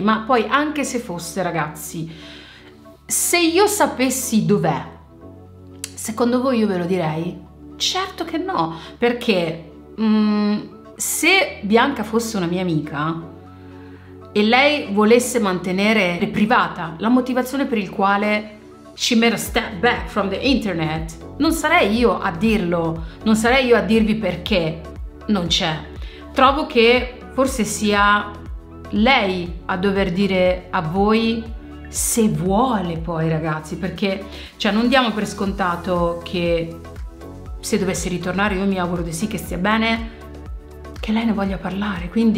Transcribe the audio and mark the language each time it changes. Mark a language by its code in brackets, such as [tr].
[it] Ma poi, anche se fosse, ragazzi, se io sapessi dov'è, secondo voi io ve lo direi? Certo che no, perché se Bianca fosse una mia amica e lei volesse mantenere privata la motivazione per il quale [en] she made a step back from the internet. [it] Non sarei io a dirlo, non sarei io a dirvi perché non c'è. Trovo che forse sia lei a dover dire a voi se vuole poi, ragazzi, perché cioè non diamo per scontato che se dovesse ritornare, io mi auguro di sì, che stia bene, che lei ne voglia parlare.